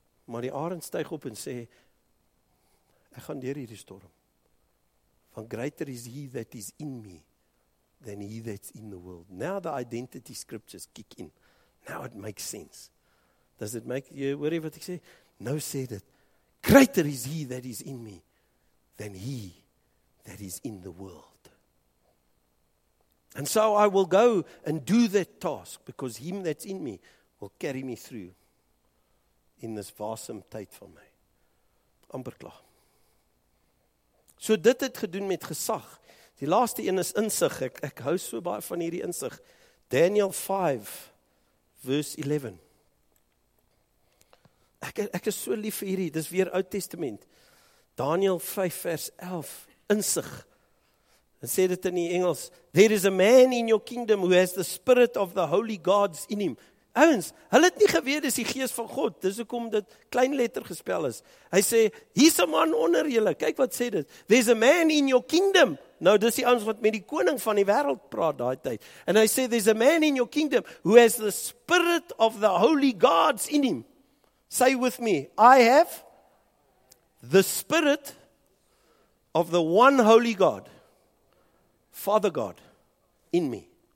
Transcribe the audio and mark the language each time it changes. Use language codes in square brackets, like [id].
[af] Maar die arend stuig op en sê, ek gaan deur hierdie storm. [en] Van greater is he that is in me, than he that's in the world. Now the identity scriptures kick in. Now it makes sense. Does it make you worry what I say? No, say that. Greater is he that is in me than he that is in the world. And so I will go and do that task because him that's in me will carry me through in this [af] waasome tyd van my. Amper klaar. So dit het gedoen met gesag. Die laaste een is insig. Ek hou so baie van hierdie insig. Daniel 5 verse 11. Ek is so lief vir hierdie, dis weer Oud Testament. Daniel 5 vers 11, insig. En sê dit in die Engels, [en] there is a man in your kingdom who has the spirit of the holy gods in him. [af] Ouens, hulle het nie geweet dis die gees van God, dis hoekom dit klein letter gespel is. Hy sê, hier's 'n man onder julle, kyk wat sê dit. [en] There's a man in your kingdom. [af] Nou, dis die ouens wat met die koning van die wêreld praat daai tyd. En hy sê, [en] there's a man in your kingdom who has the spirit of the holy gods in him. Say with me, I have the spirit of the one holy God, Father God, in me.